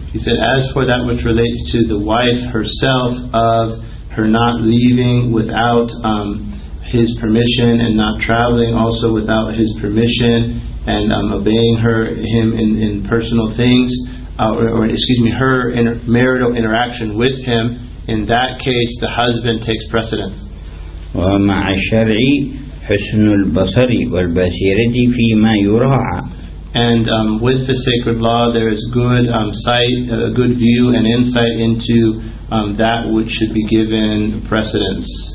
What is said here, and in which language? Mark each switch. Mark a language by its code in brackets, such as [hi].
[en] He said, as for that which relates to the wife herself, of her not leaving without his permission and not traveling also without his permission and obeying him in personal things, her marital interaction with him, in that case, the husband takes precedence. [ar] ومع الشرع حسن البصر والبصيرة فيما يراعى. [en] And with the sacred law, there is good sight, good view, and insight into that which should be given precedence.